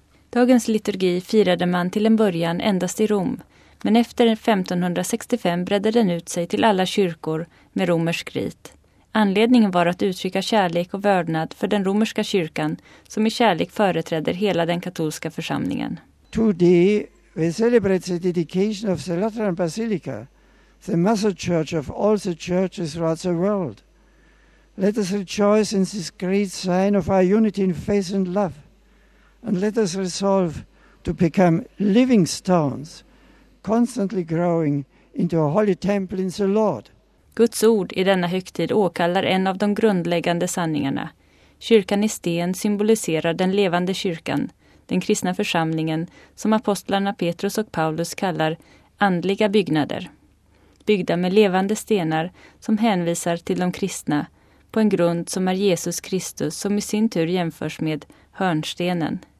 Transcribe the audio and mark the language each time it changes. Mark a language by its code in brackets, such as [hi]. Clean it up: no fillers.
[sv] Dagens liturgi firade man till en början endast i Rom, men efter 1565 bredde den ut sig till alla kyrkor med romersk rit. Anledningen var att uttrycka kärlek och vördnad för den romerska kyrkan som i kärlek företräder hela den katolska församlingen. [en] Today we celebrate the dedication of the Lateran Basilica, the mother church of all the churches throughout the world. Let us rejoice in this great sign of our unity in faith and love. And let us resolve to become living stones, constantly growing into a holy temple in the Lord. [sv] Guds ord i denna högtid åkallar en av de grundläggande sanningarna. Kyrkan i sten symboliserar den levande kyrkan, den kristna församlingen som apostlarna Petrus och Paulus kallar andliga byggnader. Byggda med levande stenar som hänvisar till de kristna på en grund som är Jesus Kristus som i sin tur jämförs med hörnstenen.